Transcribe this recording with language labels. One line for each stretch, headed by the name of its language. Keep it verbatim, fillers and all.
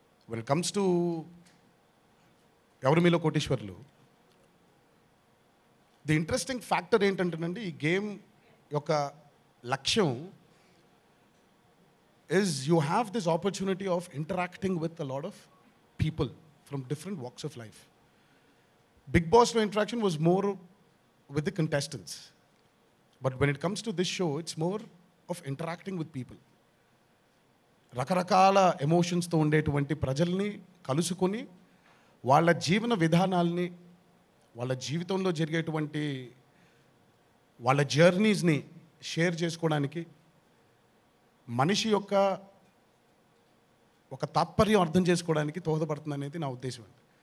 English: when it comes to Evaru Meelo Koteeswarulu, the interesting factor
Telugu: ఏంటంటేనండి, ఈ గేమ్ యొక్క లక్ష్యం
English: is you have this opportunity of interacting with a lot of people from different walks of life. Big Boss lo interaction was more with the contestants, but when it comes to this show it's more of interacting with people.
Telugu: రకరకాల ఎమోషన్స్తో ఉండేటువంటి ప్రజల్ని కలుసుకొని వాళ్ళ జీవన విధానాల్ని, వాళ్ళ జీవితంలో జరిగేటువంటి వాళ్ళ జర్నీస్ని షేర్ చేసుకోవడానికి, మనిషి యొక్క ఒక తాత్పర్యం అర్థం చేసుకోవడానికి దోహదపడుతుంది అనేది నా ఉద్దేశం అండి.